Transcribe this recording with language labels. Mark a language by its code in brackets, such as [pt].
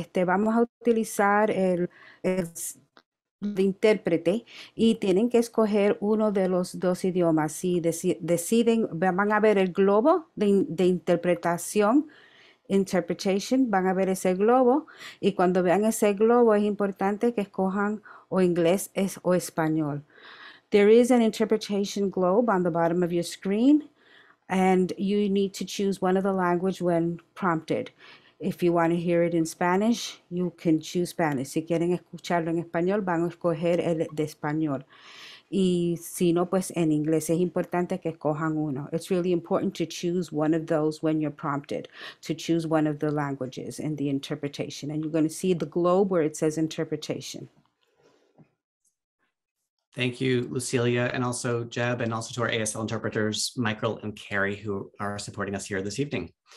[es] Vamos a utilizar el intérprete y tienen que escoger uno de los dos idiomas. Si deciden, van a ver el globo de interpretación, interpretation, van a ver ese globo. Y cuando vean ese globo, es importante que escojan o inglés o español. [en] There is an interpretation globe on the bottom of your screen, and you need to choose one of the language when prompted. If you want to hear it in Spanish, you can choose Spanish. [es] Si quieren escucharlo en español, van a escoger el de español. Y si no, pues en inglés. Es importante que escojan uno. [en] It's really important to choose one of those when you're prompted, to choose one of the languages in the interpretation. And you're going to see the globe where it says interpretation. Thank you, Lucilia, and also Jeb, and also to our ASL interpreters, Michael and Carrie, who are supporting us here this evening.